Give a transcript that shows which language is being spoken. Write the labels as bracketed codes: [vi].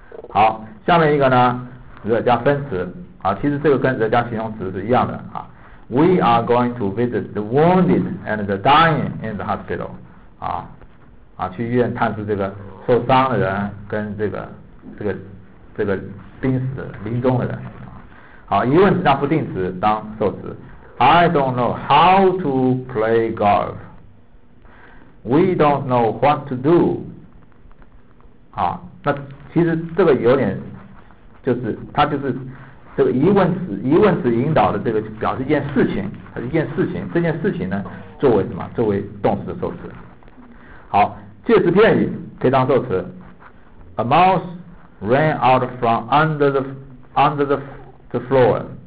[zh] 好，下面一个呢，惹加分词。其实这个跟惹加形容词是一样的。 [en] We are going to visit the wounded and the dying in the hospital. [zh] 去医院探视这个受伤的人跟这个这个濒死的临终的人啊。好，疑问词加不定词当受词。 [en] I don't know how to play golf. We don't know what to do. [zh] 好，那其实这个有点，就是它就是这个疑问词，疑问词引导的这个表示一件事情，它是一件事情，这件事情呢作为什么？作为动词的受词。好，介词片语可以当受词。 [en] A mouse ran out from under the floor.